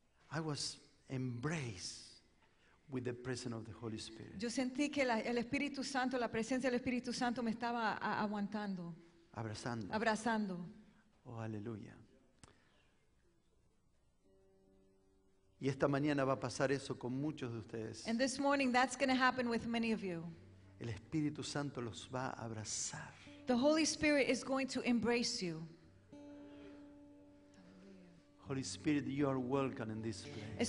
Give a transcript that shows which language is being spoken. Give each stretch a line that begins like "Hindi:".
English: I was embraced with the presence of the Holy Spirit.
Spanish: Yo sentí que el Espíritu Santo, la presencia del Espíritu Santo me estaba aguantando. Abrazando. Abrazando. Oh, aleluya. Y esta mañana va a pasar eso con muchos de ustedes.
English: And this morning that's going to happen with many of you.
Spanish: El Espíritu Santo los va a abrazar.
English: The Holy Spirit is going to embrace you. Holy Spirit, you are welcome in this place.